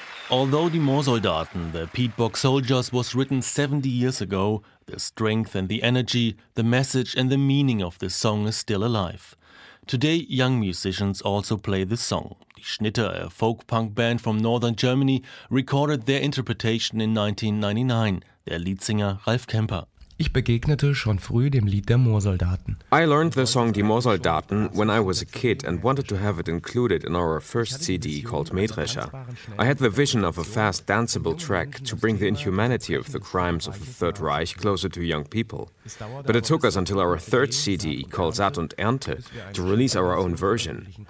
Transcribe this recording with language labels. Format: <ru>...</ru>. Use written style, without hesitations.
<en>Although Die Moorsoldaten, the Peatbox Soldiers, was written 70 years ago, the strength and the energy, the message and the meaning of this song is still alive. Today, young musicians also play this song. Die Schnitter, a folk-punk band from northern Germany, recorded their interpretation in 1999, their lead singer Ralf Kemper.</en> <de>Ich begegnete schon früh dem Lied der Moorsoldaten.</de> <en>I learned the song Die Moorsoldaten when I was a kid and wanted to have it included in our first CD called Mähdrescher. I had the vision of a fast, danceable track to bring the inhumanity of the crimes of the Third Reich closer to young people. But it took us until our third CD called Saat und Ernte to release our own version.</en>